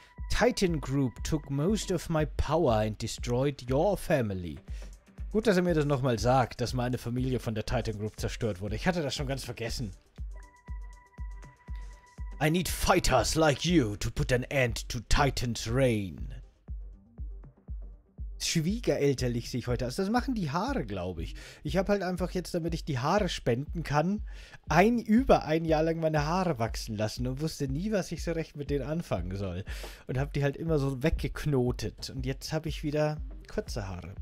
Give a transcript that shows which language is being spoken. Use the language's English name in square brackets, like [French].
[English] Titan Group took most of my power and destroyed your family. [German] Gut, dass er mir das nochmal sagt, dass meine Familie von der Titan Group zerstört wurde. Ich hatte das schon ganz vergessen. [English] I need fighters like you to put an end to Titan's reign. [German] Schwiegerelterlich sehe ich heute aus. Das machen die Haare, glaube ich. Ich habe halt einfach jetzt, damit ich die Haare spenden kann, über ein Jahr lang meine Haare wachsen lassen und wusste nie, was ich so recht mit denen anfangen soll. Und habe die halt immer so weggeknotet. Und jetzt habe ich wieder kurze Haare.